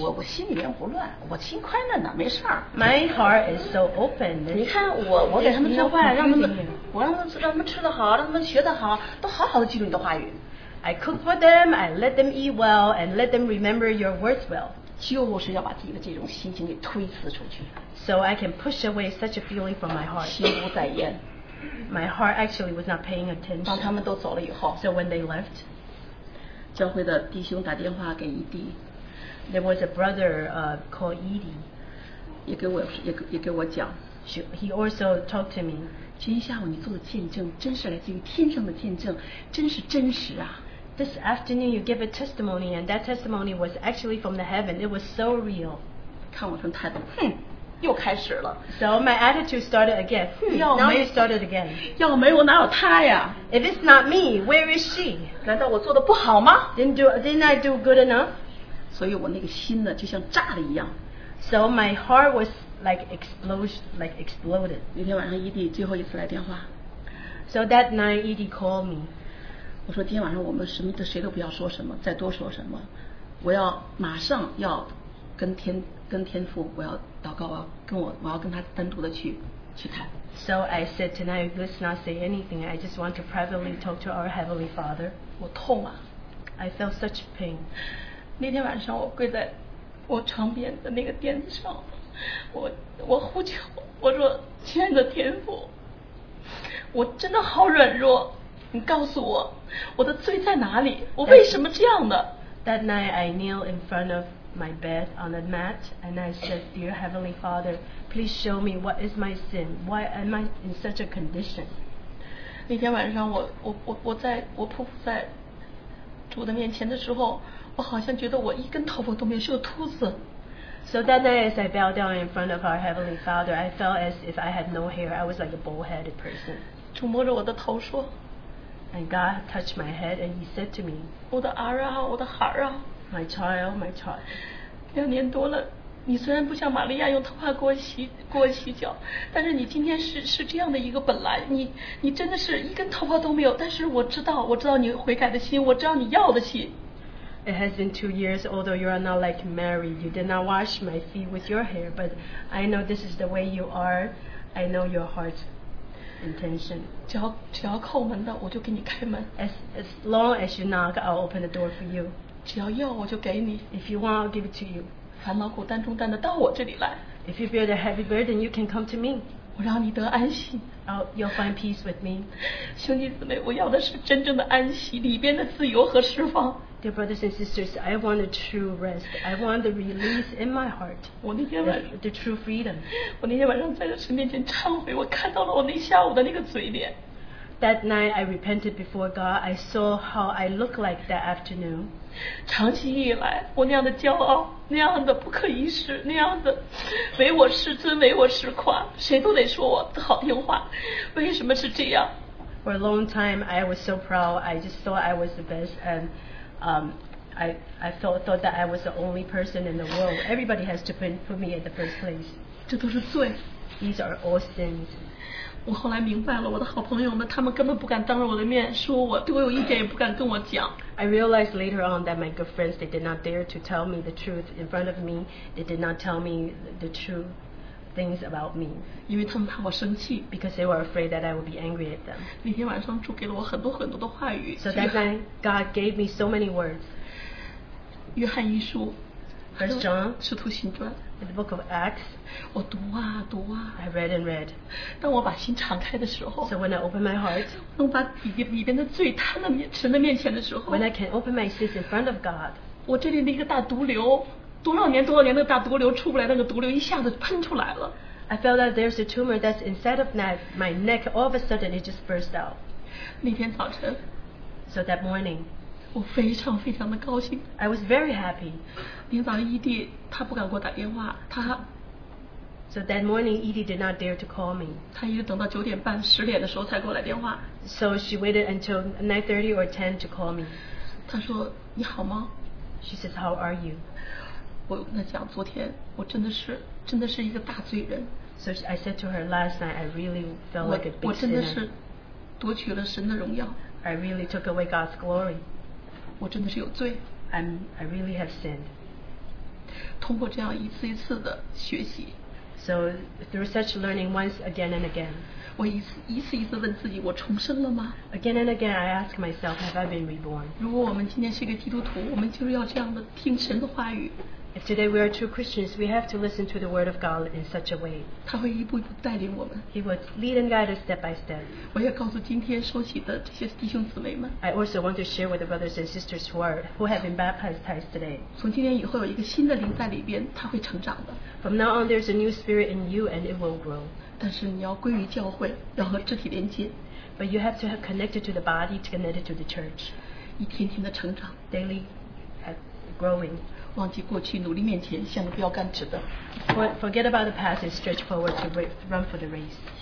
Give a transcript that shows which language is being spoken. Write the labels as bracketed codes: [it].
[zh] 我心里面不乱，我心宽着呢，没事儿。 [en] My heart is so open. [zh] 你看我给他们做饭，让他们吃得好，让他们学得好，都好好的记住你的话语。 [en] I cook for them, I let them eat well, and let them remember your words well. [zh] 就是要把自己的这种心情给推辞出去。 [en] So I can push away such a feeling from my heart. [zh] 心不在焉。 [en] My heart actually was not paying attention. [zh] 当他们都走了以后。 [en] So when they left, [zh] 教会的弟兄打电话给一弟。 [en] There was a brother called Edie. [zh] 也给我讲。 [en] He also talked to me. [zh] 今天下午你做的见证真是来自于天上的见证，真是真实啊。 [en] This afternoon you gave a testimony and that testimony was actually from the heaven. It was so real. [zh] 看我这态度，哼，又开始了。 [en] So my attitude started again. Now you started again. [zh] 要没我哪有他呀？ [en] If it's not me, where is she? [zh] 难道我做的不好吗？ [en] Didn't I do good enough? [zh] 所以我那个心呢，就像炸了一样。 [en] So my heart was like exploded. [zh] 那天晚上，伊迪最后一次来电话。 [en] So that night, Edie called me. [zh] 我说今天晚上我们什么谁都不要说什么，再多说什么，我要马上要跟天父，我要祷告，我要跟他单独的去谈。 [en] So I said tonight, let's not say anything. I just want to privately talk to our Heavenly Father. [zh] 我痛啊 [en] ！I felt such pain. [zh] 那天晚上我跪在我床边的那个垫子上，我呼求，我说亲爱的天父，我真的好软弱，你告诉我我的罪在哪里，我为什么这样的。 [en] That night I kneel in front of my bed on the mat and I said, Dear Heavenly Father, please show me what is my sin, why am I in such a condition. [zh] 那天晚上我匍匐在主的面前的时候，我好像觉得我一根头发都没有，是个秃子。 [en] So that night as I bowed down in front of our Heavenly Father, I felt as if I had no hair. I was like a bald-headed person. [zh] 主摸着我的头说 [en] ，And God touched my head and He said to me, [zh] 我的儿啊，我的孩儿啊 [en] ，My child, my child. [zh] 两年多了，你虽然不像玛利亚用头发裹洗脚，但是你今天是这样的一个本来，你真的是一根头发都没有。但是我知道你悔改的心，我知道你要的心。 [en] It has been 2 years, although you are not like Mary. You did not wash my feet with your hair, but I know this is the way you are. I know your heart's intention. [zh] 只要叩门的，我就给你开门。 [en] As long as you knock, I'll open the door for you. [zh] 只要要，我就给你。 [en] If you want, I'll give it to you. [zh] 烦恼苦担重担的，到我这里来。 [en] If you bear the heavy burden, you can come to me. [zh] 我让你得安息。 [en] You'll find peace with me. [zh] 兄弟姊妹，我要的是真正的安息，里边的自由和释放。 [en] Dear brothers and sisters, I want a true rest. I want the release in my heart. The true freedom. [zh] 我那天晚上在神面前忏悔，我看到了我那下午的那个嘴脸。 [en] That night I repented before God. I saw how I looked like that afternoon. [zh] 长期以来，我那样的骄傲，那样的不可一世，那样的唯我是尊，唯我是夸，谁都得说我好听话。为什么是这样？ [en] For a long time, I was so proud. I just thought I was the best, and I thought that I was the only person in the world. Everybody has to put me at the first place. [zh] 这都是罪。 [en] These are all sins. [zh] 我后来明白了，我的好朋友们，他们根本不敢当着我的面说我，对我有意见也不敢跟我讲。 [en] I realized later on that my good friends, they did not dare to tell me the truth in front of me. They did not tell me the true things about me. [zh] 因为他们怕我生气。 [en] Because they were afraid that I would be angry at them. [zh] 那天晚上主给了我很多很多的话语。 [en] So that night, God gave me so many words. [zh] 约翰一书。 [en] First John, [zh] 使徒行传 [en] in the book of Acts, [zh] 我读啊读啊 [en] I read and read. [zh] 当我把心敞开的时候 [en] So when I open my heart, [zh] 我把里边的罪摊在神的面前的时候 [en] When I can open my sins in front of God, [zh] 我这里那个大毒瘤，多少年多少年的大毒瘤出不来，那个毒瘤一下子喷出来了 [en] I felt that there's a tumor that's inside of my neck. All of a sudden, it just burst out. [zh] 那天早晨 [en] So that morning, [zh] 我非常非常的高兴。 [en] I was very happy. [zh] 明早上 ED 他不敢给我打电话，他。 [en] So that morning, ED did not dare to call me. [zh] 他一直等到九点半、十点的时候才给我来电话。 [en] So she waited until 9:30 or 10 to call me. [zh] 他说：“你好吗 [en] ？”She says, "How are you?" [zh] 我跟他讲，昨天我真的是一个大罪人。 [en] So I said to her, "Last night, I really felt like a big sinner." [zh] 我真的是夺取了神的荣耀。 [en] I really took away God's glory. [zh] 我真的是有罪 [en] I really have sinned [zh] 通过这样一次一次的学习 [en] So through such learning once again and again [zh] 我一次一次问自己我重生了吗 [en] Again and again I ask myself have I been reborn [zh] 如果我们今天是一个基督徒我们就是要这样的听神的话语 [en] If today we are true Christians we have to listen to the word of God in such a way [zh] 他会一步一步带领我们 [en] He would lead and guide us step by step [zh] 我也告诉今天受洗的这些弟兄姊妹们 [en] I also want to share with the brothers and sisters who have been baptized today [zh] 从今天以后有一个新的灵在里边他会成长的 [en] From now on there's a new spirit in you and it will grow [zh] 但是你要归于教会要和肢体连接 [en] But you have to have connected to the body to connect it to the church [zh] 一天天的成长 [en] Daily growing Forget about the past and stretch forward to run for the race.